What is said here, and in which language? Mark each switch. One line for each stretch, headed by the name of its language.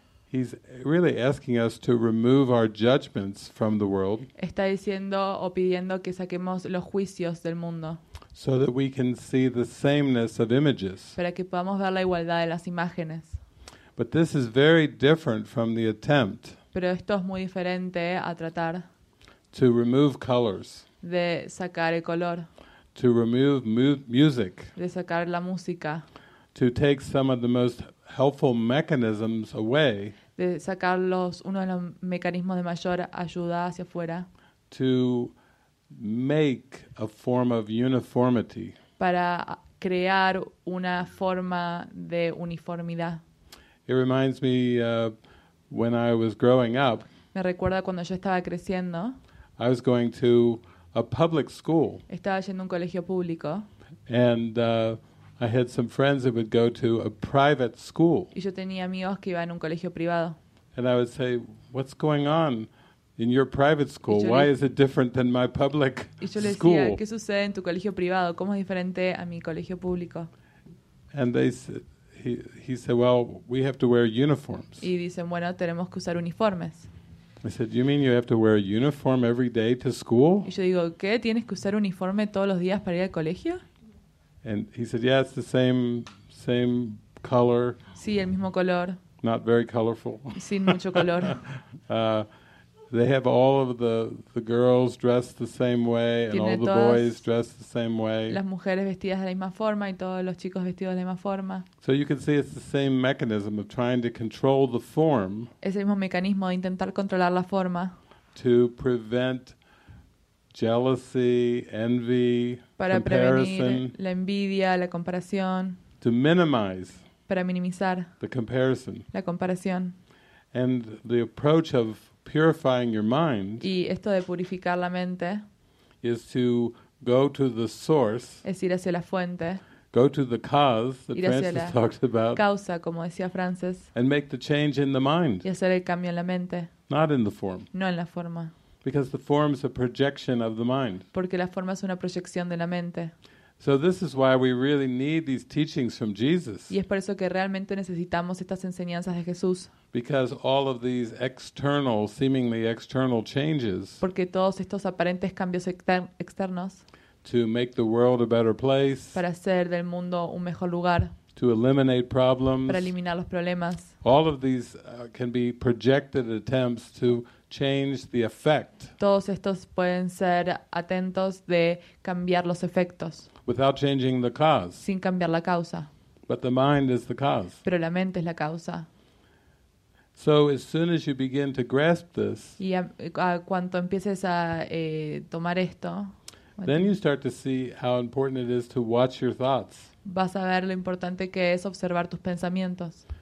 English: He's really asking us to remove our judgments from the world.
Spanish: Está diciendo o pidiendo que saquemos los juicios del mundo.
English: So that we can see the sameness of images.
Spanish: Para que podamos ver la igualdad de las imágenes.
English: But this is very different from the attempt.
Spanish: Pero esto es muy diferente a tratar.
English: To remove colors.
Spanish: De sacar el color.
English: To remove music.
Spanish: De sacar la música.
English: To take some of the most helpful mechanisms away.
Spanish: De sacar uno de los mecanismos de mayor ayuda hacia afuera.
English: To make a form of uniformity.
Spanish: Para crear una forma de uniformidad.
English: It reminds me when I was growing up.
Spanish: Me recuerda cuando yo estaba creciendo.
English: I was going to a public school.
Spanish: Estaba yendo a un colegio público.
English: And I had some friends that would go to a private school.
Spanish: Y yo tenía amigos que iban a un colegio privado.
English: And I would say, "What's going on in your private school? Why is it different than my public school?"
Spanish: Y yo les decía, "¿Qué sucede en tu colegio privado? ¿Cómo es diferente a mi colegio público?"
English: And they said, he said, "Well, we have to wear uniforms."
Spanish: Y dicen, "Bueno, tenemos que usar uniformes."
English: I said, "You mean you have to wear a uniform every day to school?"
Spanish: Y yo digo, "¿Qué? ¿Tienes que usar uniforme todos los días para ir al colegio?"
English: And he said, "Yeah, it's the same color."
Spanish: Sí, el mismo color.
English: Not very colorful.
Spanish: Sin mucho color.
English: They have all of the girls dressed the same way, and all the boys dressed the same way.
Spanish: Las mujeres vestidas de la misma forma y todos los chicos vestidos de la misma forma.
English: So you can see it's the same mechanism of trying to control the form.
Spanish: Es el mismo mecanismo de intentar controlar la forma.
English: To prevent jealousy, envy,
Spanish: para
English: comparison.
Spanish: Para prevenir la envidia, la comparación.
English: To minimize.
Spanish: Para minimizar.
English: The comparison.
Spanish: La comparación.
English: And the approach of purifying your mind,
Spanish: y esto de purificar la mente,
English: is to go to the source,
Spanish: es ir hacia la fuente,
English: go to the cause that Francis talked about,
Spanish: causa, como decía Francis,
English: and make the change in the mind,
Spanish: y hacer el cambio en la mente,
English: not in the form,
Spanish: no en la forma,
English: because the form is a projection of the mind,
Spanish: porque la forma es una proyección de la mente.
English: So this is why we really need these teachings from Jesus.
Spanish: Y es por eso que realmente necesitamos estas enseñanzas de Jesús.
English: Because all of these external, seemingly external changes.
Spanish: Porque todos estos aparentes cambios externos.
English: To make the world a better place.
Spanish: Para hacer del mundo un mejor lugar.
English: To eliminate problems.
Spanish: Para eliminar los problemas.
English: All of these can be projected attempts to change the effect.
Spanish: Todos estos pueden ser atentos de cambiar los efectos.
English: Without changing the cause.
Spanish: Sin cambiar la causa.
English: But the mind is the cause.
Spanish: Pero la mente es la causa.
English: So as soon as you begin to grasp this.
Spanish: Y cuando empieces a tomar esto.
English: Then you start to see how important it is to watch your thoughts.
Spanish: Vas a ver lo importante que es observar tus pensamientos.